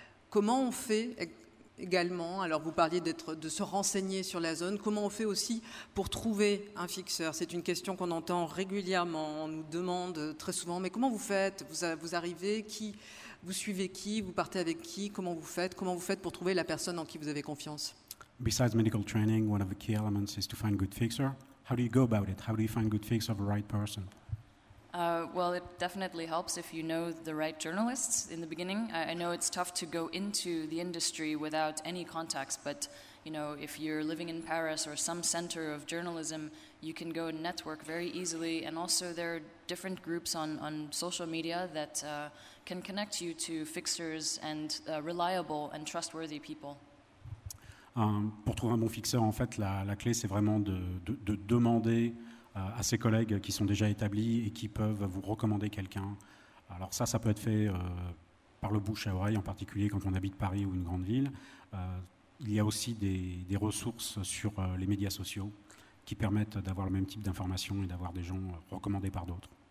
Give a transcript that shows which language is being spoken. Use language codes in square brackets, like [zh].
[fr] Comment on fait également, alors vous parliez de se renseigner sur la zone, comment on fait aussi pour trouver un fixeur ? C'est une question qu'on entend régulièrement, on nous demande très souvent, mais comment vous faites ? Vous arrivez, qui, vous suivez qui, vous partez avec qui, comment vous faites ? Comment vous faites pour trouver la personne en qui vous avez confiance ? [en] Besides medical training, one of the key elements is to find good fixer. How do you go about it? How do you find good fixer of the right person? Well, it definitely helps if you know the right journalists in the beginning. I know it's tough to go into the industry without any contacts, but you know, if you're living in Paris or some center of journalism, you can go and network very easily. And also, there are different groups on social media that can connect you to fixers and reliable and trustworthy people. [fr] Pour trouver un bon fixeur, en fait, la clé, c'est vraiment de demander à ses collègues qui sont déjà établis et qui peuvent vous recommander quelqu'un. Alors ça peut être fait par le bouche à oreille, en particulier quand on habite Paris ou une grande ville. Il y a aussi des ressources sur les médias sociaux qui permettent d'avoir le même type d'informations et d'avoir des gens recommandés par d'autres.